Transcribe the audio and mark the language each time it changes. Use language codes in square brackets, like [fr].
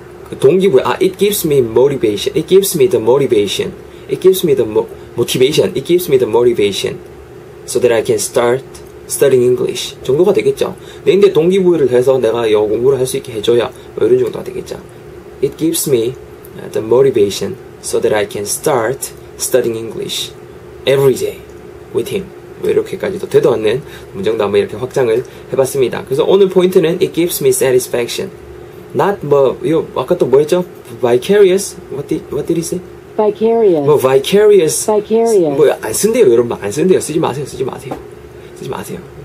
[ko] 그 동기부여. 아, [en] it gives me motivation. It gives me the motivation. It gives me the motivation. It gives me the motivation. So that I can start studying English. [ko] 정도가 되겠죠. 내인데 동기부여를 해서 내가 영어 공부를 할 수 있게 해줘야 뭐 이런 정도가 되겠죠. [en] It gives me the motivation so that I can start studying English every day with him. [ko] 뭐 이렇게까지도 되도 않는 문장도 한번 이렇게 확장을 해봤습니다. 그래서 오늘 포인트는 [en] It gives me satisfaction. Not [ko] 뭐, 이거 아까 또 뭐였죠? [en] Vicarious? What did he say? Vicarious. 뭐 vicarious. Vicarious. [ko] 뭐 안 쓴대요, 여러분. 안 쓴대요. 쓰지 마세요. 쓰지 마세요. 쓰지 마세요.